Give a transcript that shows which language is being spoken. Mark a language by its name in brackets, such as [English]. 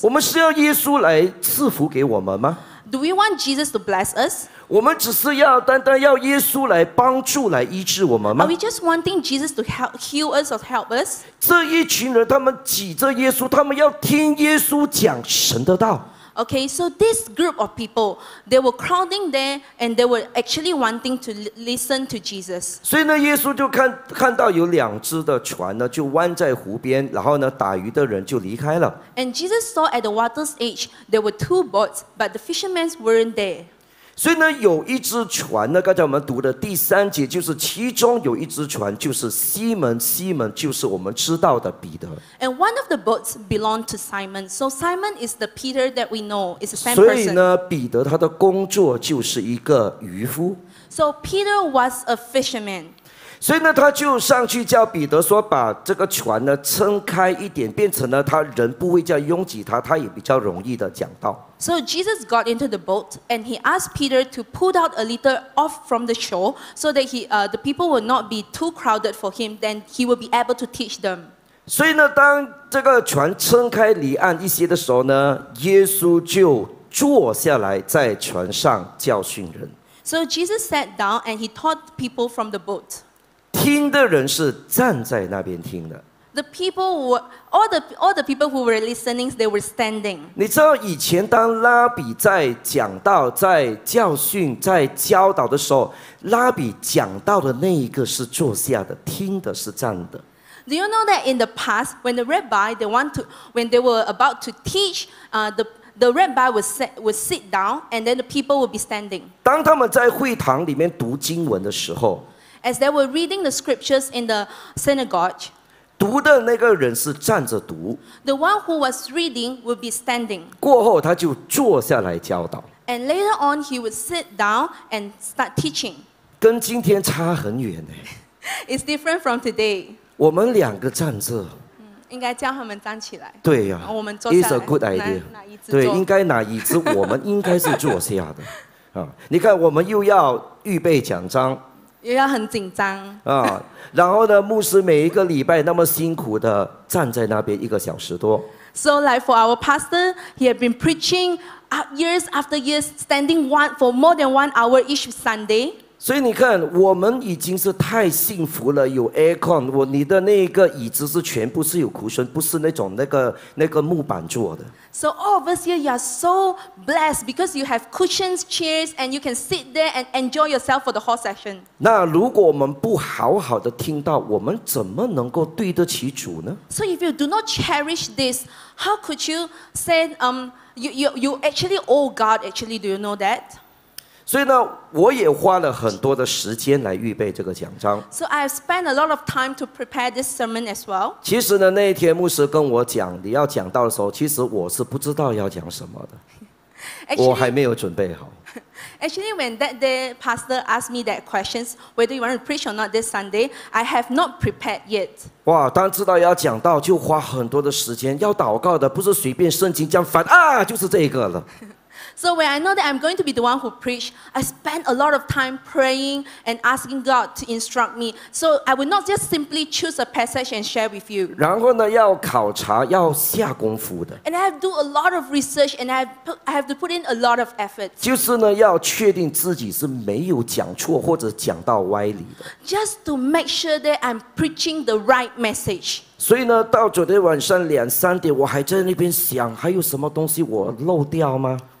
[Chinese] 我们是要耶稣来赐福给我们吗 [English] ？Do we want Jesus to bless us？ [Chinese] 我们只是要单单要耶稣来帮助、来医治我们吗 [English] ？Are we just wanting Jesus to heal us or help us？ [Chinese] 这一群人，他们挤着耶稣，他们要听耶稣讲神的道。 [English] Okay, so this group of people, they were crowding there and they were actually wanting to listen to Jesus. [Chinese] 所以呢，耶稣就看到有两只的船呢，就弯在湖边，然后呢，打鱼的人就离开了。 [English] And Jesus saw at the water's edge, there were two boats, but the fishermen weren't there. [Chinese] 所以呢，有一只船呢，刚才我们读的第三节，就是其中有一只船就是西门就是我们知道的彼得。 [English] And one of the boats belonged to Simon. So Simon is the Peter that we know. It's the same person. [Chinese] 所以呢，彼得他的工作就是一个渔夫。 [English] So Peter was a fisherman. [Chinese] 所以呢，他就上去叫彼得说，把这个船呢撑开一点，变成了他人不会再拥挤他，他也比较容易的讲道。 [English] So Jesus got into the boat and he asked Peter to pull out a little off from the shore so that the people will not be too crowded for him, then he will be able to teach them. [Chinese] 所以呢，当这个船撑开离岸一些的时候呢，耶稣就坐下来在船上教训人。 [English] So Jesus sat down and he taught people from the boat. [Chinese] 听的人是站在那边听的。 [English] The people were all the people who were listening. They were standing. [Chinese] 你知道以前当拉比在讲道、在教训、在教导的时候，拉比讲道的那一个是坐下的，听的是站的。 [English] Do you know that in the past, when the rabbi they were about to teach, the rabbi would sit down, and then the people would be standing. [Chinese] 当他们在会堂里面读经文的时候 [English] ，as they were reading the scriptures in the synagogue. [Chinese] 读的那个人是站着读 [English] ，The one who was reading would be standing. [Chinese] 过后他就坐下来教导 [English] ，And later on he would sit down and start teaching. [Chinese] 跟今天差很远耶。 [English] It's different from today. [Chinese] 我们两个站着，应该叫他们站起来。对啊，我们坐下来。 [English] It's a good idea. [Chinese] 拿椅子坐。对，应该拿椅子，我们应该是坐下的。你看，我们又要预备讲章，又要很紧张。然后呢，牧师每一个礼拜那么辛苦的站在那边一个小时多。 [English] So like for our pastor, he had been preaching years after years, standing one for more than 1 hour each Sunday. [Chinese] 所以你看，我们已经是太幸福了，有 aircon， 你的那个椅子是全部是有库存，不是那种那个木板做的。 [English] So all of us here, you are so blessed because you have cushions, chairs, and you can sit there and enjoy yourself for the whole session. [Chinese] 那如果我们不好好的听到，我们怎么能够对得起主呢？ [English] So if you do not cherish this, how could you say, you actually owe God, actually, do you know that? [Chinese] 所以呢，我也花了很多的时间来预备这个讲章。 [English] So I have spent a lot of time to prepare this sermon as well. [Chinese] 其实呢，那一天牧师跟我讲你要讲到的时候，其实我是不知道要讲什么的。 [English] Actually, [Chinese] 我还没有准备好。 [English] Actually, when that day pastor asked me that questions, whether you want to preach or not this Sunday, I have not prepared yet. [Chinese] 哇，当知道要讲到，就花很多的时间，要祷告的，不是随便圣经这样翻啊，就是这个了。 [English] So when I know that I'm going to be the one who preach, I spend a lot of time praying and asking God to instruct me. So I will not just simply choose a passage and share with you. [Chinese] 然后呢，要考察，要下功夫的。 [English] And I have to do a lot of research and I have to put in a lot of effort. [Chinese] 就是呢，要确定自己是没有讲错或者讲到歪理的。 [English] Just to make sure that I'm preaching the right message. [Chinese] 所以呢，到昨天晚上两三点，我还在那边想，还有什么东西我漏掉吗？